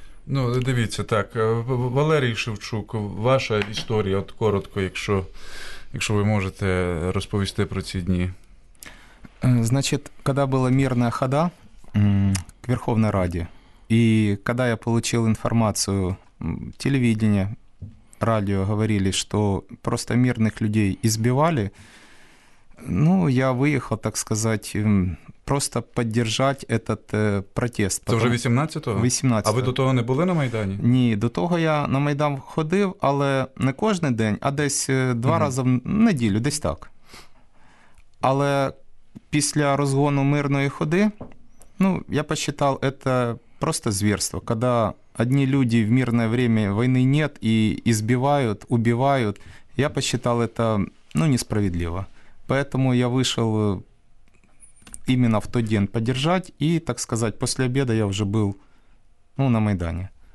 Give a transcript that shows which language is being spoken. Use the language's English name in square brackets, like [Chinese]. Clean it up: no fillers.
[Ukrainian] Ну, дивіться, так, Валерій Шевчук, ваша історія, от коротко, якщо ви можете розповісти про ці дні. Значить, коли була мирна хода к Верховній Раді, і коли я отримав інформацію телевізійну, [Russian] радио говорили, что просто мирных людей избивали. Ну, я выехал, так сказать, просто поддержать этот протест. Это уже 18-го? 18-го. А вы до того не были на Майдане? [Ukrainian] Ні, до того я на Майдан ходив, але не кожен день, а десь два рази в неділю, десь так. Але після розгону мирної ходи, ну, я [Russian] посчитав, это просто зверство, когда одни люди в мирное время войны нет и избивают, убивают. Я посчитал это, ну, несправедливо. Поэтому я вышел именно в тот день поддержать. И, так сказать, после обеда я уже был, ну, на Майдане.